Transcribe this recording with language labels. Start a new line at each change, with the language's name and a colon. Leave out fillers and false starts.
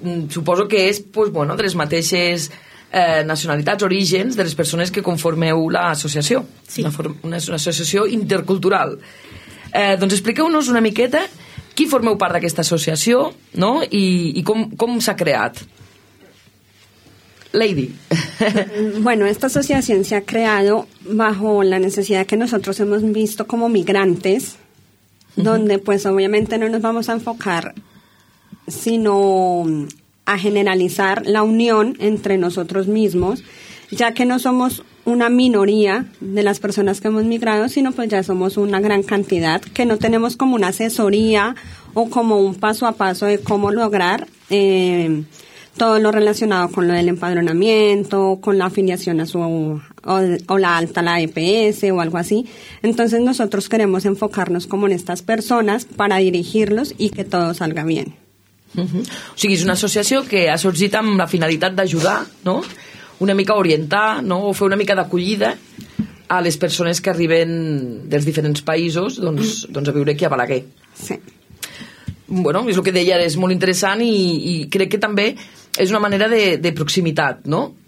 Catalan: Suposo que és, doncs, bueno, de les mateixes nacionalitats, orígens de les persones que conformeu l'associació. Sí. Una associació intercultural. Doncs expliqueu-nos una miqueta qui formeu part d'aquesta associació, no?, i com s'ha creat. Lady.
Spanish: Bueno, esta asociación se ha creado bajo la necesidad que nosotros hemos visto como migrantes, donde pues obviamente no nos vamos a enfocar sino a generalizar la unión entre nosotros mismos, ya que no somos una minoría de las personas que hemos migrado, sino pues ya somos una gran cantidad que no tenemos como una asesoría o como un paso a paso de cómo lograr todo lo relacionado con lo del empadronamiento, con la afiliación a su o la alta a la EPS o algo así. Entonces nosotros queremos enfocarnos como en estas personas para dirigirlos y que todo salga bien.
Catalan: O sigui, és una associació que ha sorgit amb la finalitat d'ajudar, no?, una mica orientar, no?, o fer una mica d'acollida a les persones que arriben dels diferents països, doncs a viure aquí a Balaguer. Sí. Bueno, és el que deia, és molt interessant i crec que també és una manera de proximitat, no?